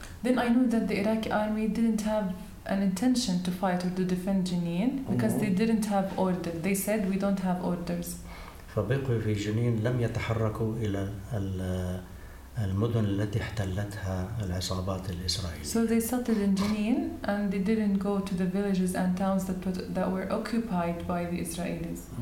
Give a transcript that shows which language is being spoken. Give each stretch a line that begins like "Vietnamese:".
English: Then I knew that the Iraqi army didn't have an intention to fight or to defend Jenin because they didn't have order. They said we don't have orders.
Arabic: فبقوا في جنين لم يتحركوا إلى المدن التي احتلتها العصابات الإسرائيلية.
English: So they settled in Jenin and they didn't go to the villages and towns that were occupied by the Israelis.